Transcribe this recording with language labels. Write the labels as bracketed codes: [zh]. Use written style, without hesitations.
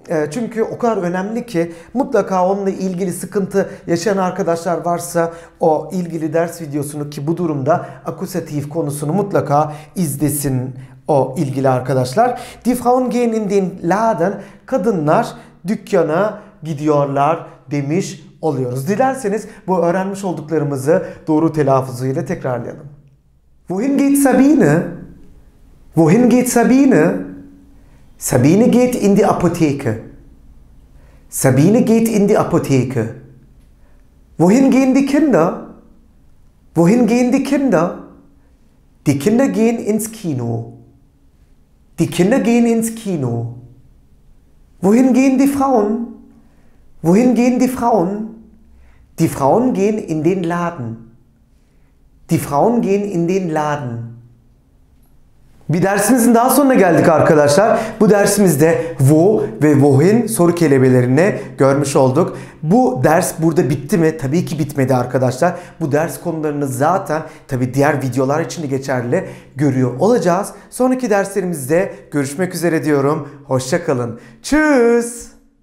[tr] Çünkü o kadar önemli ki mutlaka onunla ilgili sıkıntı yaşayan arkadaşlar varsa o ilgili ders videosunu, ki bu durumda akusatif konusunu mutlaka izlesin o ilgili arkadaşlar. [de] Die Frauen gehen in den Laden, [tr] kadınlar dükkana gidiyorlar demiş oluyoruz. Dilerseniz bu öğrenmiş olduklarımızı doğru telaffuzuyla tekrarlayalım. [de] Wohin geht Sabine? Wohin geht Sabine? Sabine geht in die Apotheke. Sabine geht in die Apotheke. Wohin gehen die Kinder? Wohin gehen die Kinder? Die Kinder gehen ins Kino. Die Kinder gehen ins Kino. Wohin gehen die Frauen? Wohin gehen die Frauen? Die Frauen gehen in den Laden. Die Frauen gehen in den Laden. [tr] Bir dersimizin daha sonuna geldik arkadaşlar. Bu dersimizde wo ve wohin soru kelimelerini görmüş olduk. Bu ders burada bitti mi? Tabii ki bitmedi arkadaşlar. Bu ders konularını zaten tabii diğer videolar için de geçerli görüyor olacağız. Sonraki derslerimizde görüşmek üzere diyorum. Hoşça kalın. Tschüss.